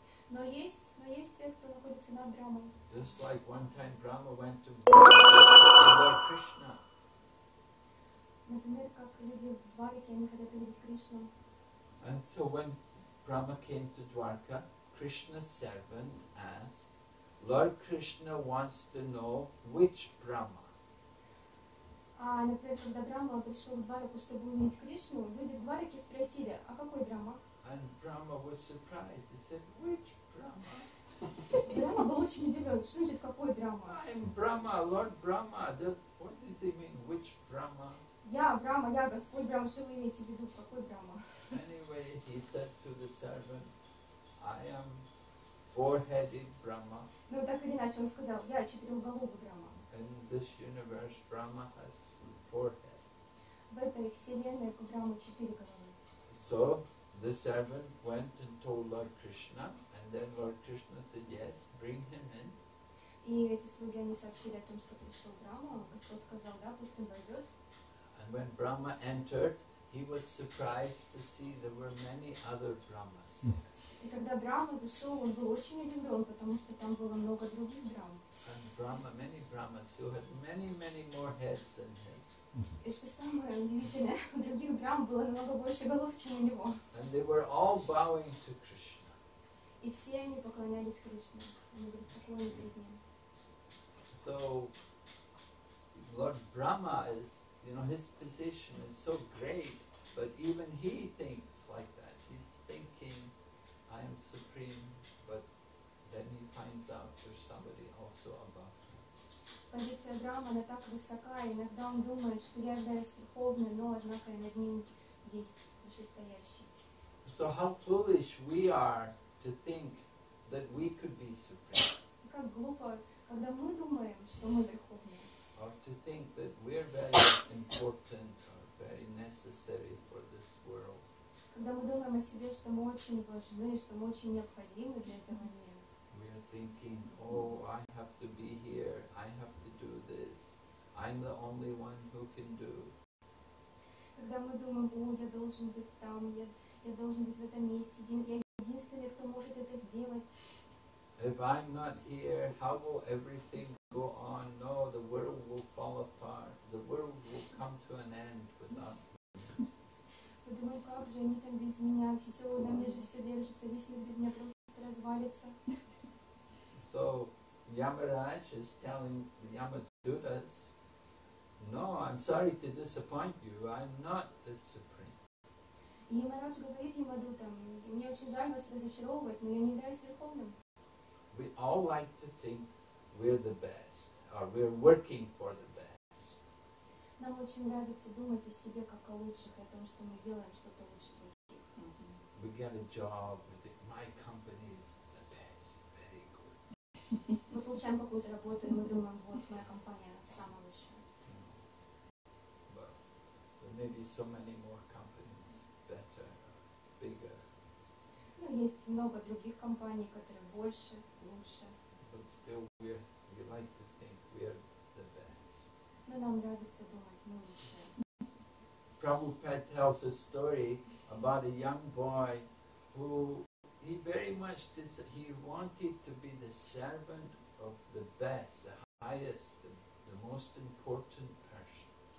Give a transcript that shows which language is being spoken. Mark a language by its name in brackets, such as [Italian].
[Russian] Но есть те, кто находится над Брахмой. [English] Just like one time Brahma went to see Lord Krishna. [Russian] Например, как люди в Дварике, они хотят увидеть Кришну. [English] And so when Brahma came to Dwarka, Krishna's servant asked, Lord Krishna wants to know which Brahma. [Russian] Например, когда Брахма пришел в Двараку, чтобы увидеть Кришну, люди в Двараке спросили, а какой Брахма? [English] And Brahma was surprised. He said, which Brahma? [Russian] Брахма был очень удивлен. Что значит, какой Брахма? [English] I'm Brahma, Lord Brahma. What did they mean, which Brahma? [Russian] Я Брахма, я Господь Брахма. Что вы имеете в виду, какой Брахма? [English] Anyway, he said to the servant, I am four-headed Brahma. [Russian] Ну так или иначе, он сказал, я четырехголовый Брахма. [English] In this universe, Brahma has four heads. [Russian] В этой вселенной у Брахмы четыре головы. [English] So the servant went and told Lord Krishna, and then Lord Krishna said, "Yes, bring him in." [Russian] И эти слуги они сообщили о том, что пришел Брахма. Господь сказал, да, пусть он войдет. [English] And when Brahma entered, he was surprised to see there were many other Brahmas. [Russian] И когда Брахма зашел, он был очень удивлен, потому что там было много других Брахм. [English] And Brahma, many Brahmas who had many, many more heads than his. [Russian] И что самое удивительное, у других Брахм было намного больше голов, чем у него. [English] And they were all bowing to Krishna. [Russian] И все они поклонялись Кришне. Они были поклонены перед ним. [English] So, Lord Brahma is, you know, his position is so great, but even he thinks like that. He's thinking, I am supreme, but then he finds out there's somebody also above him. [Russian] Позиция Брахмы, она так высока, иногда он думает, что я являюсь верховной, но однако и над ним есть вышестоящий. [English] So how foolish we are to think that we could be supreme. [Russian] Как глупо, когда мы думаем, что мы верховные. [English] Or to think that we're very important or very necessary for this world. [Russian] Когда мы думаем о себе, что мы очень важны, что мы очень необходимы для этого мира. [English] We are thinking, oh, I have to be here, I have to do this, I'm the only one who can do. [Russian] Когда мы думаем, о, я должен быть там, я должен быть в этом месте, я единственный, кто может это сделать. [English] If I'm not here, how will everything go on? No, the world will fall apart. The world will come to an end without me. [Russian] Подумай, как же они там без меня? Все, на мне же все держится, весь мир без меня просто развалится. [English] So, Yamaraj is telling Yamadutas, no, I'm sorry to disappoint you, I'm not the Supreme. [Russian] И Yamaraj говорит Yamadutam, мне очень жаль вас разочаровывать, но я не являюсь Верховным. [English] We all like to think we're the best, or we're working for the best. [Russian] Нам очень нравится думать о себе как о лучших, о том, что мы делаем что-то лучше других. [English] We get a job with it. My company is the best, very good. [Russian] Мы получаем какую-то работу, и мы думаем, вот моя компания самая лучшая. [English] But there may be so many more companies, better, bigger. [Russian] Ну, есть много других компаний, которые больше. [English] But still we like to think we are the best. [Russian] Но нам нравится думать, мы лучшие. [English] Prabhupada tells a story about a young boy who he very much he wanted to be the servant of the best, the highest, the most important person.